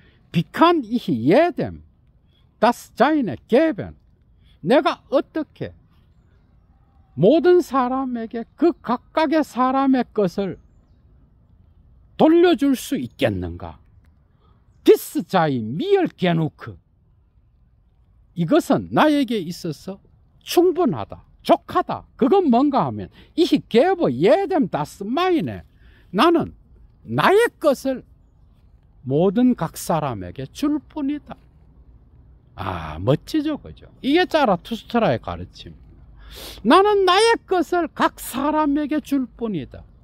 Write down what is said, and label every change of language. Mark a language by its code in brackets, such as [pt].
[de] Bekannt ich jedem, dass seine Geben, [ko] 내가 어떻게 모든 사람에게 그 각각의 사람의 것을 돌려줄 수 있겠는가? [de] Dies sei mir genug. [ko] 이것은 나에게 있어서 충분하다, 족하다. 그건 뭔가 하면, [de] ich gebe jedem das meine. [ko] 나는 나의 것을 모든 각 사람에게 줄 뿐이다. 아, 멋지죠, 그죠? 이게 자라투스트라의 가르침. 나는 나의 것을 각 사람에게 줄 뿐이다.